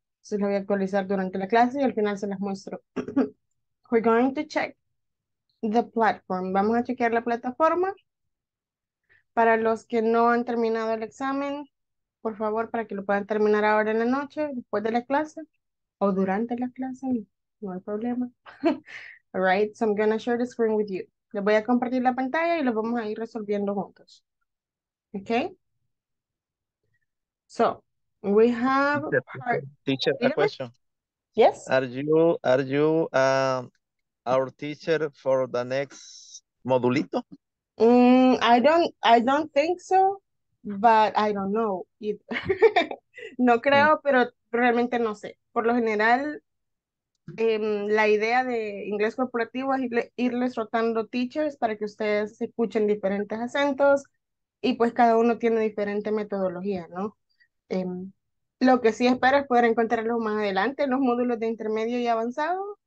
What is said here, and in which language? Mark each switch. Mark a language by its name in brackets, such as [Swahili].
[Spanish] Se la voy a actualizar durante la clase y al final se las muestro. [English] We're going to check the platform. [Spanish] Vamos a chequear la plataforma. Para los que no han terminado el examen, por favor, para que lo puedan terminar ahora en la noche, después de la clase. O durante la clase, no hay problema. [English] All right, so I'm gonna share the screen with you. [Spanish] Les voy a compartir la pantalla y lo vamos a ir resolviendo juntos. [English] Okay? So, we have part. Teacher, a [Spanish] Dígame. [English] question. Yes? Are you our teacher for the next modulito? I don't think so, but I don't know either. [Spanish] No creo, pero realmente no sé. Por lo general, la idea de inglés corporativo es irles rotando teachers para que ustedes escuchen diferentes acentos y pues cada uno tiene diferente metodología, ¿no? Lo que sí espero es poder encontrarlos más adelante en los módulos de intermedio y avanzado.